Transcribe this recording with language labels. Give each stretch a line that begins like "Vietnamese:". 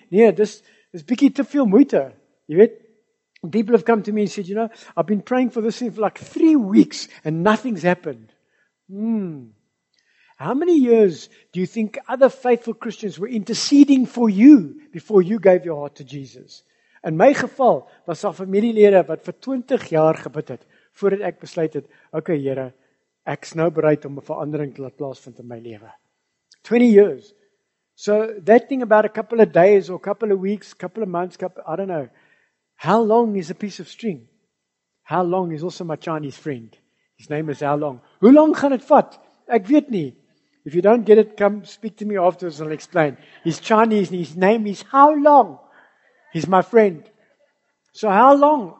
English: Yeah, this
Afrikaans: bikkie te veel moeite.
English: You know, people have come to me and said, you know, I've been praying for this thing for like 3 weeks and nothing's happened. How many years do you think other faithful Christians were interceding for you before you gave your heart to Jesus?
Afrikaans: In my geval, was daar familielede wat vir 20 jaar gebid het, voordat ek besluit het, okay, Here, ek's nou bereid om 'n verandering te laat plaasvind in my lewe.
English: 20 years. So that thing about a couple of days or a couple of weeks, a couple of months, I don't know. How long is a piece of string? How long is also my Chinese friend? His name is How Long.
Afrikaans: Hoe lang gaan dit vat? Ek weet nie.
English: If you don't get it, come speak to me afterwards and I'll explain. He's Chinese and his name is How Long. He's my friend. So how long?